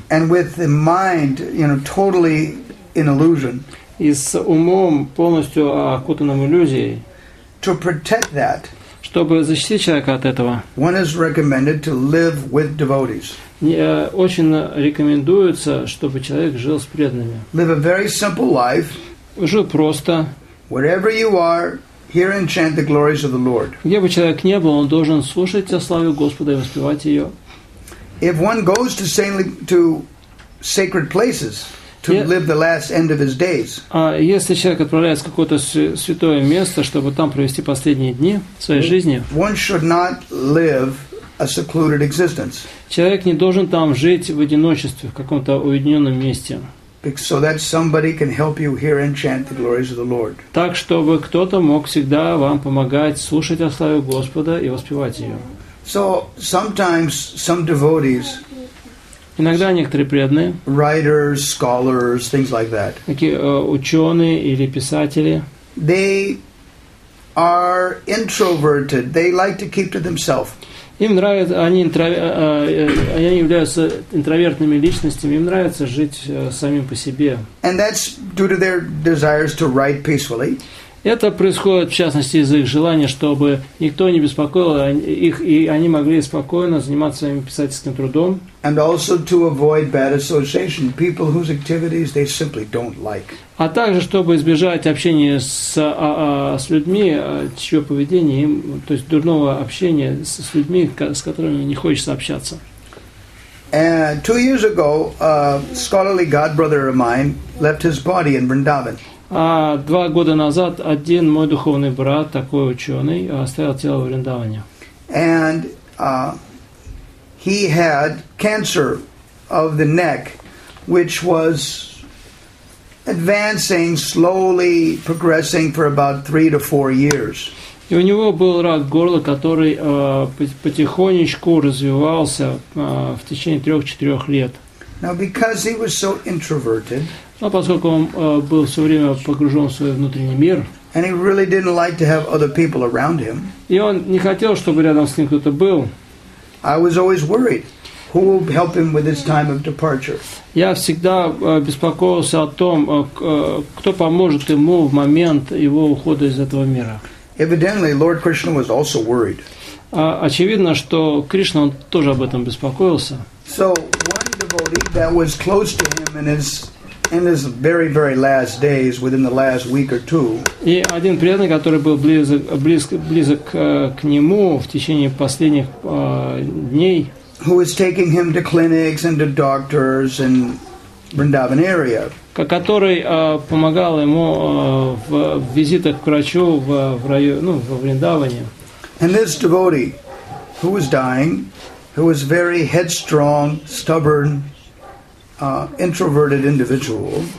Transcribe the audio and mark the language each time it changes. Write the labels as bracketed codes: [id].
[en] And with the mind, you know, totally in illusion. [ru] И с умом полностью окутанным иллюзией. [en] To protect that. [ru] Чтобы защитить человека от этого. [en] One is recommended to live with devotees. [ru] Очень рекомендуется, чтобы человек жил с преданными. [en] Live a very simple life. [ru] Жил просто. [en] Wherever you are, hear and chant the glories of the Lord. [ru] Где бы человек ни был, он должен слушать о славе Господа и воспевать ее. [en] If one goes to sacred places to live the last end of his days. [ru] А если человек отправляется в какое-то святое место, чтобы там провести последние дни своей жизни, [en] one should not live a secluded existence. [ru] Человек не должен там жить в одиночестве, в каком-то уединенном месте. [en] So that somebody can help you hear and chant the glories of the Lord. [ru] Так, чтобы кто-то мог всегда вам помогать слушать о славе Господа и воспевать ее. [en] So sometimes some devotees, [ru] иногда некоторые преданные, [en] writers, scholars, things like that, [ru] такие ученые или писатели, [en] they are introverted. They like to keep to themselves. [ru] Им нравится, они являются интровертными личностями, им нравится жить самим по себе. [en] And that's due to their desires to write peacefully. [ru] Это происходит, в частности, из-за их желания, чтобы никто не беспокоил их, и они могли спокойно заниматься своим писательским трудом. [en] And also to avoid bad association, people whose activities they simply don't like. [ru] А также, чтобы избежать общения с людьми, чье поведение им, то есть дурного общения с людьми, с которыми не хочется общаться. [en] And 2 years ago, a scholarly godbrother of mine left his body in Vrindavan. [ru] А 2 года назад один мой духовный брат, такой ученый, оставил тело в Вриндаване. [en] And he had cancer of the neck, which was advancing slowly, progressing for about 3 to 4 years. [ru] И у него был рак горла, который потихонечку развивался в течение 3-4 лет. [en] Now, because he was so introverted, [ru] но поскольку он был все время погружен в свой внутренний мир, [en] and he really didn't like to have other people around him, [ru] и он не хотел, чтобы рядом с ним кто-то был, [en] I was always worried, who will help him with his time of departure. [ru] Я всегда беспокоился о том, кто поможет ему в момент его ухода из этого мира. [en] Evidently, Lord Krishna was also worried. [ru] Очевидно, что Кришна тоже об этом беспокоился. [en] So one devotee that was close to him in his very very last days, within the last week or two. [ru] И один преданный, который был близок к нему в течение последних дней. [en] Who was taking him to clinics and to doctors in Vrindavan area. [ru] Который помогал ему в визитах к врачу в районе, ну, во Вриндаване. [en] And this devotee, who was dying, who was very headstrong, stubborn, introverted individual.